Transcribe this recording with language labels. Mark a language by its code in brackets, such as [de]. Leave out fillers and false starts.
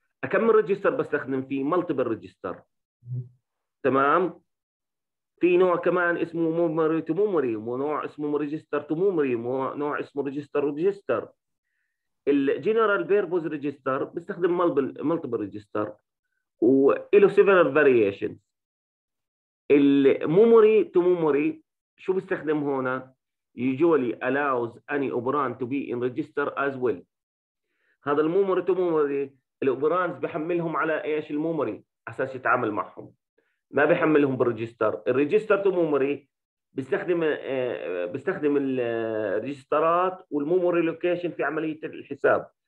[ar] كم ريجستر بستخدم فيه؟ مالتيبل ريجستر. تمام، في نوع كمان اسمه ميموري تو ميموري، ونوع اسمه ريجستر تو ميموري، ونوع اسمه ريجستر ريجستر. الجنرال بوربوز ريجستر بستخدم مالتيبل ريجستر، وله سيفرال فاريشن. الميموري تو ميموري شو بستخدم هنا؟ [en] usually allows any operand to be in register as well. [ar] هذا الميموري تو ميموري الاوبراندز بحملهم على ايش؟ الميموري، اساس يتعامل معهم. ما بيحملهم بالريجستر. الريجستر تو ميموري بيستخدم الريجسترات والميموري لوكيشن في عمليه الحساب.